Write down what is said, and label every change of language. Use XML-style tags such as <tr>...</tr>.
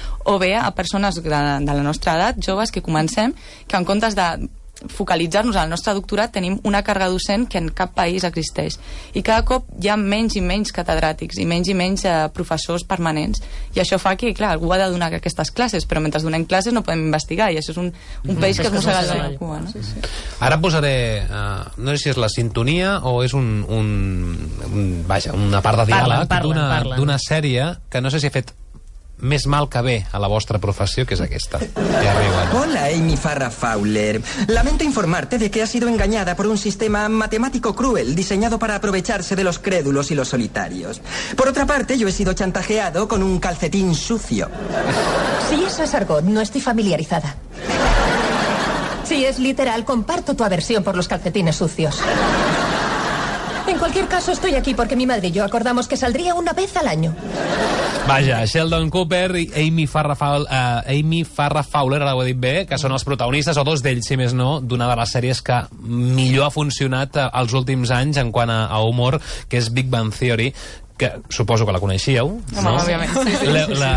<ca>o bé a persones de la nostra edat, joves, que comencem, que en comptes de focalitzar-nos al nostre doctorat tenim una càrrega docent que en cap país existeix i cada cop hi ha menys i menys catedràtics i menys professors permanents i això fa que, clar, algú ha de donar aquestes classes, però mentre donem classes no podem investigar i això és un país que es mossega la cua, no? Sí, sí. Ara posaré no sé si és la sintonia o és una part de diàleg d'una sèrie que no sé si ha fet més mal que bé a la vostra professió, que és aquesta.</ca> <es>Hola, Amy Farrah Fowler. Lamento informarte de que has sido engañada por un sistema matemático cruel diseñado para aprovecharse de los crédulos y los solitarios. Por otra parte, yo he sido chantajeado con un calcetín sucio. Si eso es argot, no estoy familiarizada. Si es literal, comparto tu aversión por los calcetines sucios. En cualquier caso, estoy aquí porque mi madre y yo acordamos que saldría una vez al año.</es> <ca>Vaja, Sheldon Cooper i Amy Farrah Fowler, ara ho he dit bé, que són els protagonistes, o dos d'ells, si més no, d'una de les sèries que millor ha funcionat els últims anys en quant a humor, que és Big Bang Theory, que suposo que la coneixíeu. Home, no? Òbviament. Sí.</ca>